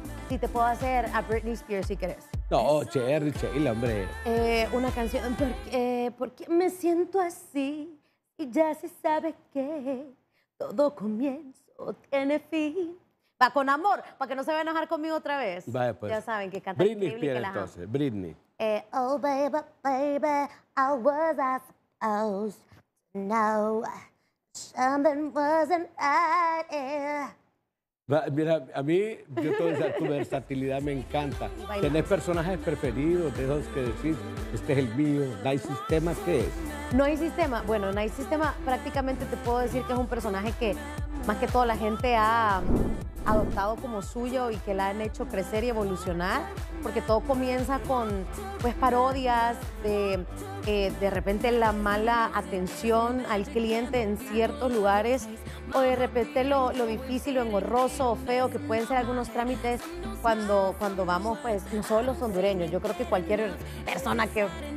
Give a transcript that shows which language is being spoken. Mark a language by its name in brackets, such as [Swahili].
[Spanish] Sí, te puedo hacer a Britney Spears si querés. No, Cherry, Cheyla, hombre. Una canción, porque me siento así y ya se sabe que todo comienzo tiene fin. Va con amor, para que no se vaya a enojar conmigo otra vez. Vaya, pues. Ya saben que canta Britney Spears, entonces, Britney. [English] Oh, baby, baby, I was supposed to know something wasn't right, yeah. [Spanish] Mira, a mí, yo todo eso, tu versatilidad me encanta. ¿Tenés personajes preferidos de esos que decís, este es el mío? ¿No hay sistema? ¿Qué es? No hay sistema. Bueno, no hay sistema. Prácticamente te puedo decir que es un personaje que más que todo la gente ha adoptado como suyo y que la han hecho crecer y evolucionar, porque todo comienza con pues parodias de repente la mala atención al cliente en ciertos lugares o de repente lo difícil, lo engorroso o feo que pueden ser algunos trámites cuando vamos, pues no solo los hondureños, yo creo que cualquier persona que